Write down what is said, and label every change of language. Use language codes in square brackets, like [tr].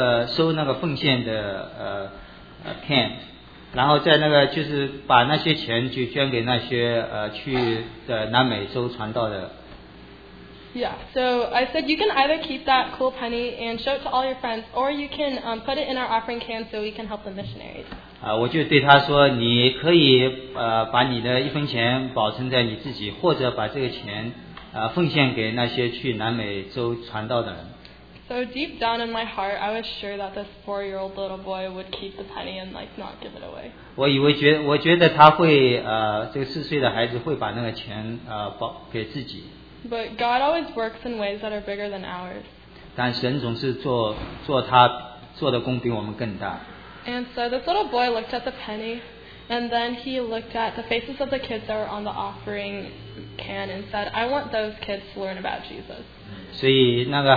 [zh] 所以我觉得是我们有一个收那个奉献的。can, 然后在那个就是把那些钱就捐给那些去南美洲传道的。 [en] Yeah, so I said you can either keep that cool penny and show it to all your friends, or you can put it in our offering can so we can help the missionaries. [zh] 我就对他说，你可以把你的一分钱保存在你自己，或者把这个钱奉献给那些去南美洲传道的人。 [en] So deep down in my heart, I was sure that this 4-year-old little boy would keep the penny and like not give it away. [zh] 我觉得他会这个四岁的孩子会把那个钱保给自己。 [en] But God always works in ways that are bigger than ours. [zh] 但神总是做他做的工比我们更大。 [en] And so this little boy looked at the penny, and then he looked at the faces of the kids that were on the offering can and said, "I want those kids to learn about Jesus."